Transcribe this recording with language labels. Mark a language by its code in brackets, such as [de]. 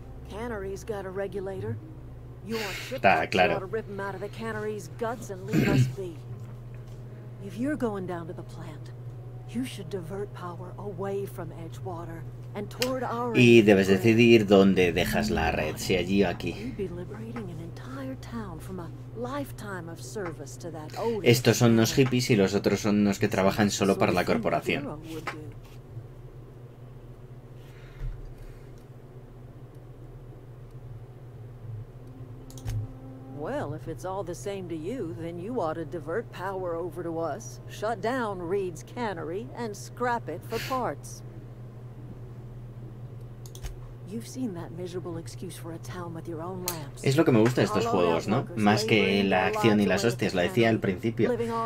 [en] Cannery's got a regulator. [es] Claro. [en] To rip him out of the cannery's guts and leave us be. If you're going down to the plant, you should divert power away from Edgewater and toward our. [es] Y debes decidir dónde dejas la red, si allí o aquí. [en] You'd be liberating an entire town from a lifetime of service to that. [es] Estos son los hippies y los otros son los que trabajan solo para la corporación. [en] Well, if it's all the same to you, then you ought to divert power over to us, shut down Reed's cannery, and scrap it for parts. You've seen that miserable excuse for a town with your own lamps. [es] Es lo que me gusta de estos juegos, ¿no? Más que la acción y las hostias, lo decía al principio.